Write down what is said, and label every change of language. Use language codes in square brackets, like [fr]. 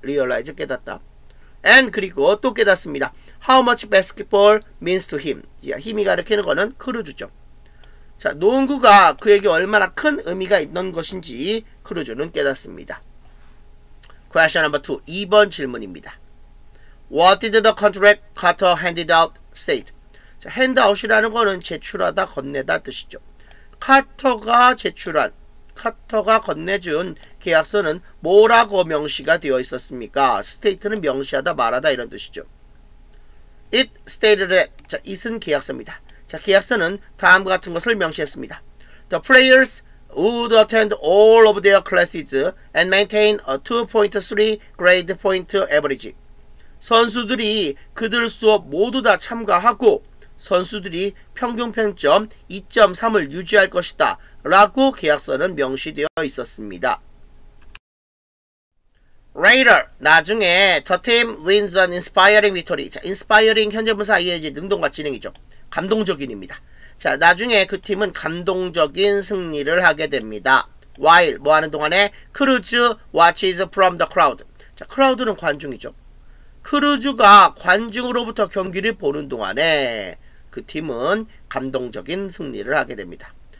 [ko] Realize, 깨닫다. And 그리고 또 깨닫습니다. [en] How much basketball means to him. [ko] 힘이 가르치는 거는 크루즈죠. 자, 농구가 그에게 얼마나 큰 의미가 있는 것인지 크루즈는 깨닫습니다. [en] Question number 2. [ko] 2번 질문입니다. [en] What did the contract Carter handed out state? [ko] 자, handout이라는 거는 제출하다, 건네다 뜻이죠. 카터가 제출한, 카터가 건네준 계약서는 뭐라고 명시가 되어 있었습니까? 스테이트는 명시하다, 말하다 이런 뜻이죠. [en] It stated that. [ko] 자, it은 계약서입니다. 자, 계약서는 다음과 같은 것을 명시했습니다. [en] The players would attend all of their classes and maintain a 2.3 grade point average. [ko] 선수들이 그들 수업 모두 다 참가하고 선수들이 평균 평점 2.3을 유지할 것이다 라고 계약서는 명시되어 있었습니다. [en] Later, [ko] 나중에 [en] the team wins an inspiring victory. [ko] 자, inspiring 현재분사 ing 능동과 진행이죠. 감동적인입니다. 자, 나중에 그 팀은 감동적인 승리를 하게 됩니다. [en] While, [ko] 뭐하는 동안에 [en] Cruz watches from the crowd. [ko] 자, 크라우드는 관중이죠. 크루즈가 관중으로부터 경기를 보는 동안에 그 팀은 감동적인 승리를 하게 됩니다.